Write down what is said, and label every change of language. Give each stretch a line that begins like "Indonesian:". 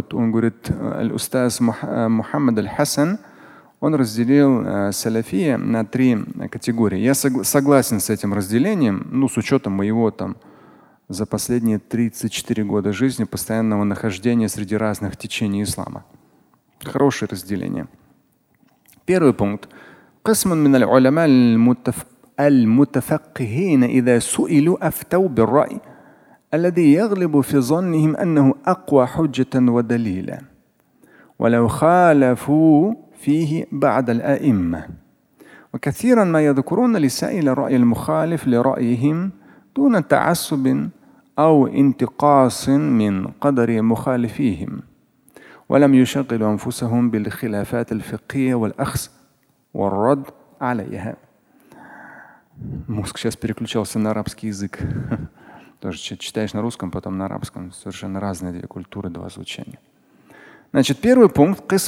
Russian: Вот он говорит, аль-устаз Мухаммад аль-Хасан, он разделил саляфия на три категории. Я согласен с этим разделением, ну, с учетом моего там за последние 34 года жизни постоянного нахождения среди разных течений ислама. Хорошее разделение. Первый пункт.
Arabic: قسمٌ من العلماء المتفقهين إذا سئلوا أفتوا بالرأي الذي يغلب في ظنهم أنه أقوى حجة ودليلا ولو خالفوا فيه بعض الأئمة وكثيرا ما يذكرون لسائل رأي المخالف لرأيهم دون تعصب أو انتقاص من قدر مخالفيهم ولم يشغلوا أنفسهم بالخلافات الفقهية والأخذ والرد عليها.
Russian: Мозг сейчас переключался на арабский язык. Тоже читаешь на русском, потом на арабском. Совершенно разные две культуры, два звучания. Значит, первый пункт.